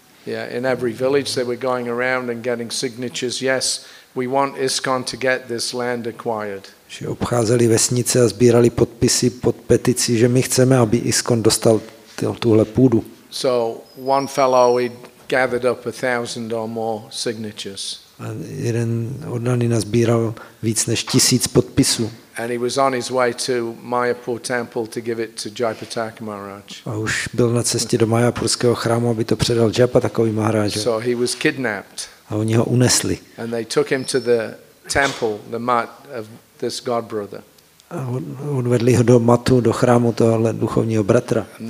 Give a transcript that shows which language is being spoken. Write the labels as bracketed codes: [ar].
[en] Yeah, in every village they were going around and getting signatures. Yes, we want ISKCON to get this land acquired. [cs] Že obcházeli vesnice a sbírali podpisy pod petici, že my chceme, aby ISKCON dostal tuhle půdu. [en] So one fellow he gathered up 1,000 or more signatures. [cs] A jeden odaný nasbíral víc než 1,000 podpisů. [en] And he was on his way to Mayapur temple to give it to Jayaprataka Maharaj. [cs] A už byl na cestě do Mayapurského chrámu, aby to předal Jayaprataka Maharaji. [en] So he was kidnapped. [cs] A oni ho unesli. [en] And they took him to the temple, the mat of this god brother. [cs] A odvedli ho do matu, do chrámu tohohle duchovního bratra.